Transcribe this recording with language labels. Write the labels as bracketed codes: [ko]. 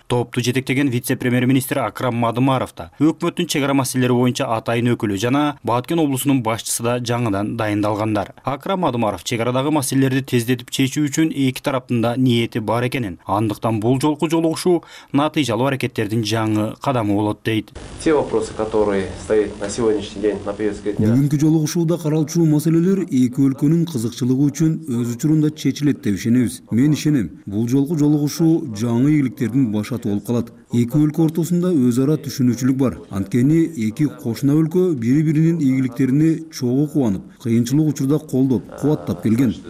[ky] Топту жетектеген вице-премьер-министр Акрам Мадымаров да өкмөттүн чек ара маселелери боюнча атайын өкүлү жана Баткен облусунун башчысы да жаңыдан дайындалгандар. Акрам Мадымаров чек арадагы маселелерди тездетип чечүү үчүн эки тараптын да ниети бар экенин, андыктан бул жолку жолугушуу натыйжалуу аракеттердин жаңы кадамы болот дейт. [ru] Те вопросы, которые стоят на сегодняшний день на повестке дня. [ky] Бүгүнкү жолугушууда каралчу маселелер эки өлкөнүн кызыкчылыгы үчүн өз учурунда чечилет деп ишенебиз. Мен ишенем, бул жолку жолугушуу жаңы ийгиликтердин башаты болуп калат. Эки өлкө ортосунда өз ара түшүнүүчүлүк бар. Анткени эки кошуна өлкө бири биринин ийгиликтерине чогуу кубанып, кыйынчылык учурда колдоп, кубаттап келген.